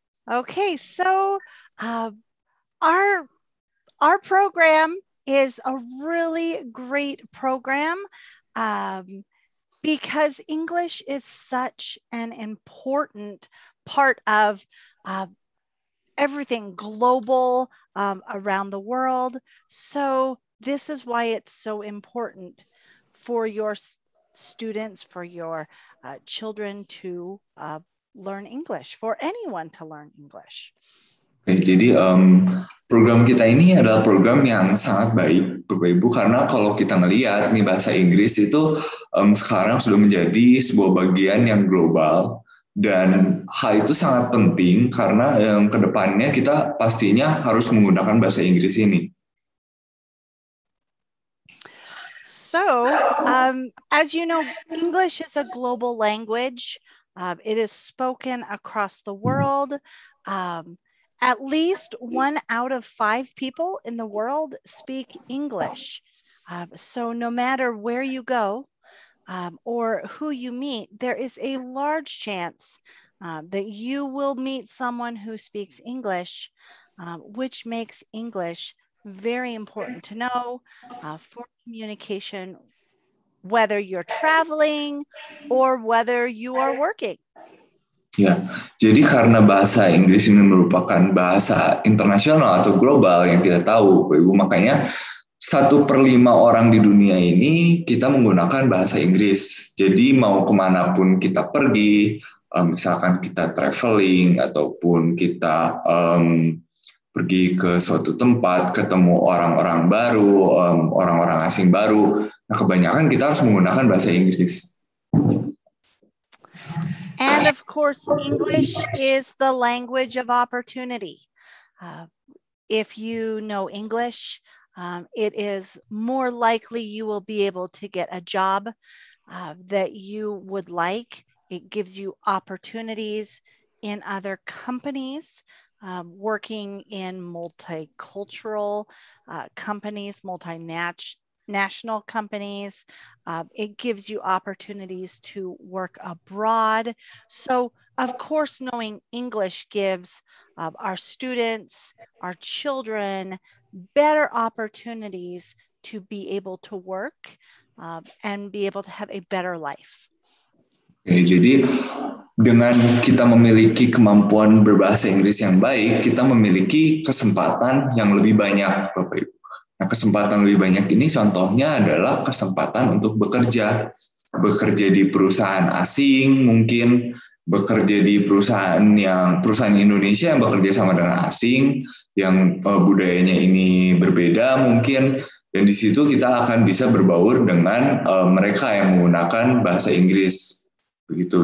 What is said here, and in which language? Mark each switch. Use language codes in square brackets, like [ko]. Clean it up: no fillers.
[en] Okay, so our program is a really great program because English is such an important part of everything global around the world. So this is why it's so important for your students, for your children to learn English, for anyone to learn English. [id] Okay, jadi program kita ini adalah program yang sangat baik, Bapak Ibu, karena kalau kita ngelihat nih bahasa Inggris itu sekarang sudah menjadi sebuah bagian yang global dan hal itu sangat penting karena kedepannya kita pastinya harus menggunakan bahasa Inggris ini. [en] So, as you know, English is a global language. It is spoken across the world. At least 1 out of 5 people in the world speak English. So no matter where you go or who you meet, there is a large chance that you will meet someone who speaks English, which makes English very important to know for communication, whether you're traveling or whether you are working. [id] Ya, jadi karena bahasa Inggris ini merupakan bahasa internasional atau global yang kita tahu, Ibu, makanya 1/5 orang di dunia ini kita menggunakan bahasa Inggris. Jadi mau kemanapun kita pergi, misalkan kita traveling ataupun kita pergi ke suatu tempat, ketemu orang-orang baru, orang-orang asing baru, nah kebanyakan kita harus menggunakan bahasa Inggris. [en] And of course, English is the language of opportunity. If you know English, it is more likely you will be able to get a job that you would like. It gives you opportunities in other companies, working in multicultural companies, multinational companies. It gives you opportunities to work abroad. So, of course, knowing English gives our students, our children, better opportunities to be able to work and be able to have a better life. [id] Ya, jadi dengan kita memiliki kemampuan berbahasa Inggris yang baik, kita memiliki kesempatan yang lebih banyak, Bapak Ibu. Nah, kesempatan lebih banyak ini contohnya adalah kesempatan untuk bekerja. Bekerja di perusahaan asing mungkin, bekerja di perusahaan Indonesia yang bekerja sama dengan asing, yang budayanya ini berbeda mungkin, dan di situ kita akan bisa berbaur dengan mereka yang menggunakan bahasa Inggris. Begitu.